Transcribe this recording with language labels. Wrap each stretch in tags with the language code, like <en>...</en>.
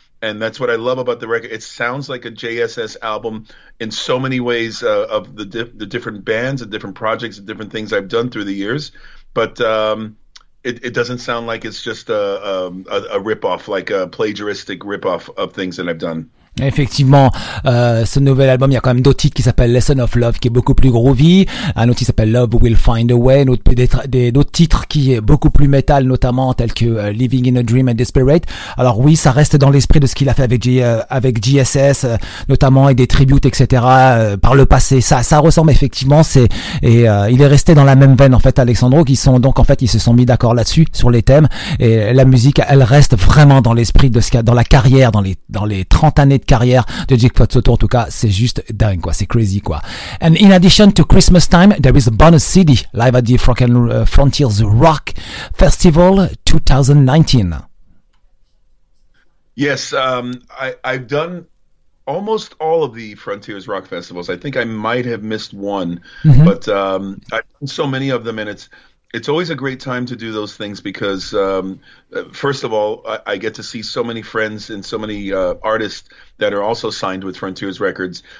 <en>And that's what I love about the record. It sounds like a JSS album in so many ways of the different bands and different projects and different things I've done through the years. But it doesn't sound like it's just a rip-off, like a plagiaristic rip-off of things that I've done.</en> <fr>Effectivement, ce nouvel album, il y a quand même d'autres titres qui s'appellent Lesson of Love, qui est beaucoup plus groovy. Un autre qui s'appelle Love Will Find a Way. D'autres titres qui est beaucoup plus metal, notamment tels que Living in a Dream and Desperate. Alors oui, ça reste dans l'esprit de ce qu'il a fait avec GSS, notamment et des tributes, etc. Par le passé, ça ressemble effectivement. Il est resté dans la même veine en fait, Alessandro. Qui sont donc en fait, ils se sont mis d'accord là-dessus sur les thèmes et la musique. Elle reste vraiment dans l'esprit de ce qu'il y a dans la carrière, dans les 30 années de carrière de Jake Fatsoto. En tout cas, c'est juste dingue quoi, c'est crazy quoi.</fr> <en>And in addition to Christmas time, there is a bonus CD live at the African Frontiers Rock Festival 2019. Yes, I've done almost all of the Frontiers Rock Festivals. I think I might have missed one, mm-hmm. but I've done so many of them, and it's always a great time to do those things because first of all, I get to see so many friends and so many artists that are also signed with Frontiers Records.</en>